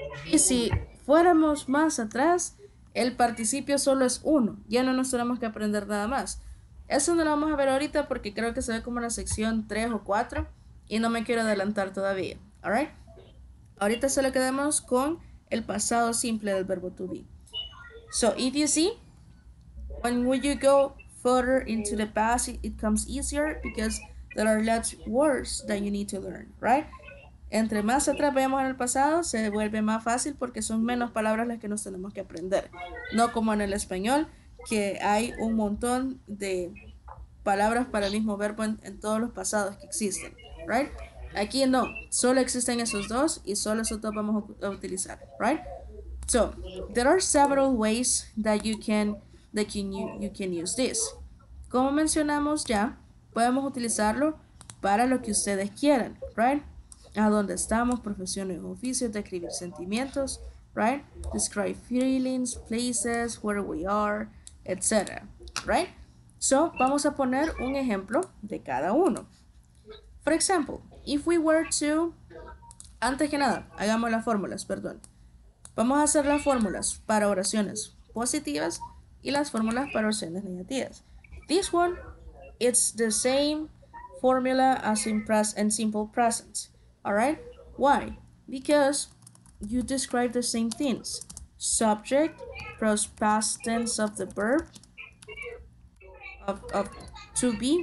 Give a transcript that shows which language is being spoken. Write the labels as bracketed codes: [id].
[es] Y si fuéramos más atrás, el participio solo es uno. Ya no nos tenemos que aprender nada más. Eso no lo vamos a ver ahorita porque creo que se ve como una sección 3 o 4 y no me quiero adelantar todavía. All right? Ahorita solo quedamos con el pasado simple del verbo to be. [en] So if you see, when would you go further into the past, it comes easier because there are lots of words that you need to learn, right? [es] Entre más atrás vayamos en el pasado, se vuelve más fácil porque son menos palabras las que nos tenemos que aprender. No como en el español, que hay un montón de palabras para el mismo verbo en todos los pasados que existen, right? Aquí no, solo existen esos dos y solo esos dos vamos a utilizar, right? [en] So, there are several ways that you can use this. [es] Como mencionamos ya, podemos utilizarlo para lo que ustedes quieran, right? A dónde estamos, profesiones o oficios, describir sentimientos, right? [en] Describe feelings, places, where we are, etc. Right? [es] So, vamos a poner un ejemplo de cada uno. For example, if we were to... Antes que nada, hagamos las fórmulas, perdón. Vamos a hacer las fórmulas para oraciones positivas y las fórmulas para oraciones negativas. [en] This one, it's the same formula as in present and simple present. Alright? Why? Because you describe the same things. Subject plus past tense of the verb of to be.